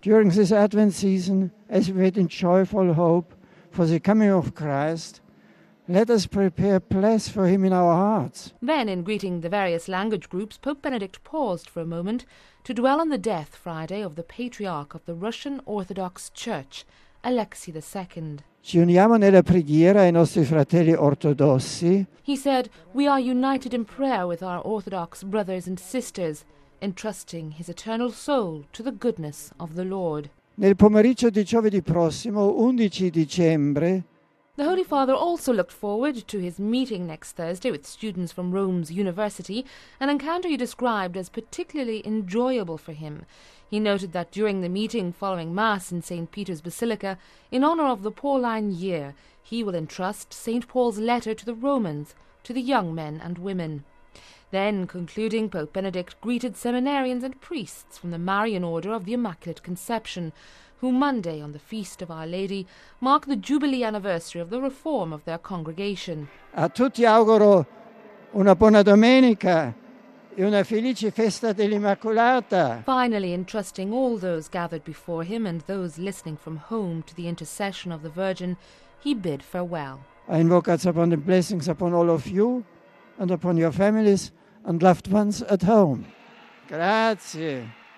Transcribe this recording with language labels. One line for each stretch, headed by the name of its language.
English: During this Advent season, as we wait in joyful hope for the coming of Christ, let us prepare a place for him in our hearts. Then, in greeting the various language groups, Pope Benedict paused for a moment to dwell on the death Friday of the Patriarch of the Russian Orthodox Church, Alexei II.
Italian: Ci uniamo nella preghiera ai nostri fratelli ortodossi.
English: He said, we are united in prayer with our Orthodox brothers and sisters, entrusting his eternal soul to the goodness of the Lord.
Italian: Nel pomeriggio di giovedì prossimo, 11 dicembre,
English: The Holy Father also looked forward to his meeting next Thursday with students from Rome's university, an encounter he described as particularly enjoyable for him. He noted that during the meeting following Mass in St. Peter's Basilica, in honour of the Pauline year, he will entrust St. Paul's letter to the Romans, to the young men and women. Then, concluding, Pope Benedict greeted seminarians and priests from the Marian Order of the Immaculate Conception, who Monday, on the Feast of Our Lady, mark the jubilee anniversary of the reform of their congregation.
Italian: A tutti auguro una buona domenica e una felice festa dell'Immacolata.
English: Finally, entrusting all those gathered before him and those listening from home to the intercession of the Virgin, he bid farewell. I invoke God's abundant blessings upon all of you and upon your families and loved ones at home.
Italian: Grazie.